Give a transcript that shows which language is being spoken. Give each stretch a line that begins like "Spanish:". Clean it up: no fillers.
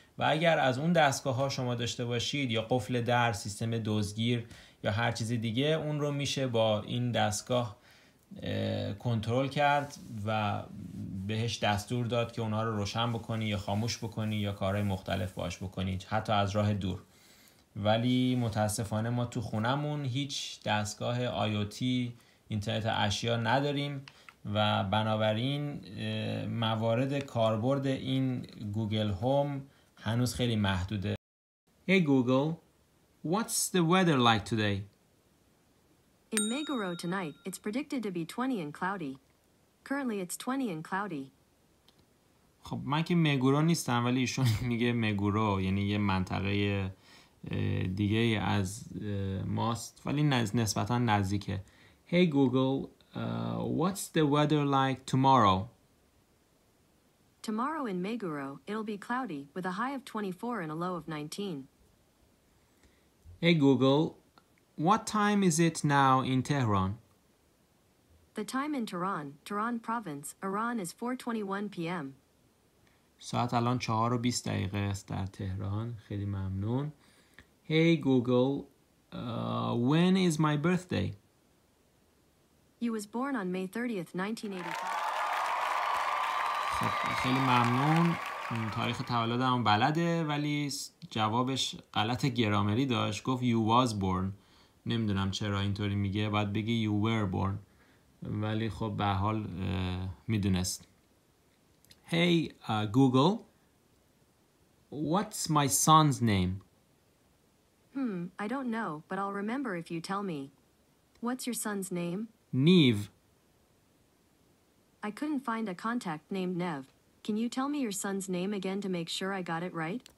Persian: و اگر از اون دستگاه ها شما داشته باشید، یا قفل در، سیستم دزگیر یا هر چیز دیگه، اون رو میشه با این دستگاه کنترل کرد و بهش دستور داد که اونا رو روشن بکنی یا خاموش بکنی یا کارهای مختلف باش بکنی، حتی از راه دور. ولی متاسفانه ما تو خونمون هیچ دستگاه IoT اینترنت اشیا نداریم و بنابراین موارد کاربرد این گوگل هوم هنوز خیلی محدوده.
English: Hey Google, what's the weather like today? In Meguro tonight, it's predicted to be 20 and cloudy. Currently it's 20 and cloudy.
Persian: خب من که مگورو نیستم، ولی ایشون میگه مگورو یعنی یه منطقه دیگه از ماست، ولی نسبتا نزدیکه.
English: Hey Google, what's the weather like tomorrow? Tomorrow in Meguro, it'll be cloudy with a high of 24 and a low of 19. Hey Google, what time is it now in Tehran? The time in Tehran, Tehran province, Iran is 4:21 p.m.
Persian: ساعت الان 4:20 دقیقه است در تهران. خیلی ممنون.
English: Hey Google, when is my birthday? You was born on May 30th, 1985.
Persian: خیلی ممنون. تاریخ تولدم بلده، ولی جوابش غلط گرامری داشت. گفت
English: you was born.
Persian: نمیدونم چرا اینطوری میگه، باید بگی
English: you were born،
Persian: ولی خب به حال میدونست.
English: Hey Google, what's my son's name? I don't know, but I'll remember if you tell me. What's your son's name? Nev. I couldn't find a contact named Nev. Can you tell me your son's name again to make sure I got it right?